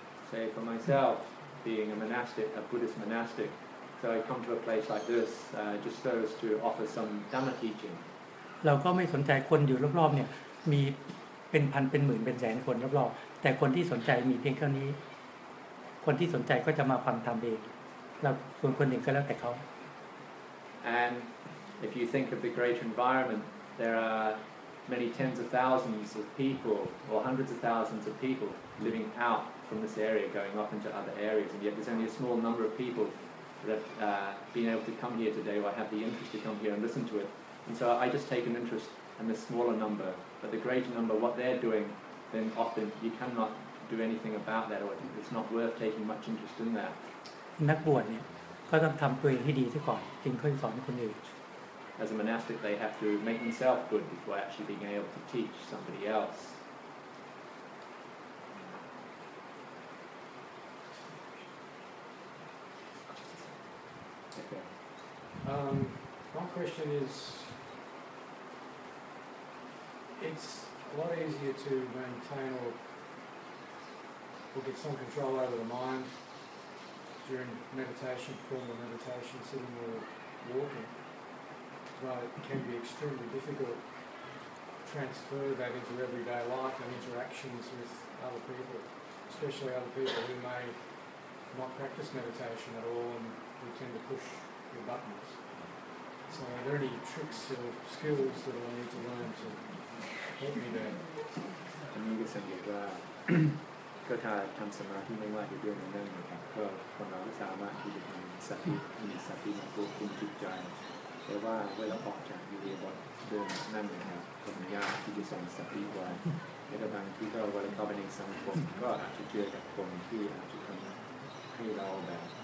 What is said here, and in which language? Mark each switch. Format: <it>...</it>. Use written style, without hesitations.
<en>Say for myself, being a monastic, a Buddhist monastic, so I come to a place like this just so as to offer some Dhamma teaching.</en> <th>เราก็ไม่สนใจคนอยู่รอบๆเนี่ยมีเป็นพันเป็นหมื่นเป็นแสนคนรอบๆแต่คนที่สนใจมีเพียงแค่นี้คนที่สนใจก็จะมาฟังธรรมเองเราส่วนคนอื่นก็แล้วแต่เขา</th> <en>AndIf you think of the great environment, there are many tens of thousands of people, or hundreds of thousands of people, living out from this area, going off into other areas, and yet there's only a small number of people that have been able to come here today, or have the interest to come here and listen to it. And so I just take an interest in the smaller number, but the greater number, what they're doing, then often you cannot do anything about that, or it's not worth taking much interest in that.</en> <th>นักบวชเนี่ยก็ต้องทำตัวเองให้ดีซะก่อนจึงค่อยสอนคนอื่น</th> <en>As a monastic, they have to make themselves good before actually being able to teach somebody else. Okay. My question is, it's a lot easier to maintain or get some control over the mind during meditation, formal meditation, sitting or walking. But it can be extremely difficult to transfer that into everyday life and interactions with other people, especially other people who may not practice meditation at all and who tend to push your buttons. So are there any tricks or skills that I need to learn to help me there?</en> <th>ท่านนี้ก็แสดงว่าก็ถ้าทำสมาธิไม่ว่าจะเรื่องอะไรนะครับก็คนเราสามารถที่จะมีสติมาควบคุมจิตใจแต่ว่าเวลาออกจากอิริยาบถเดิมนั่นเองครับก็มียากที่จะส่งสติไว้และบางที่ก็เวลาเข้าไปในสังคมก็อาจจะเจอกับคนที่อาจจะทำให้เราแบบ</th>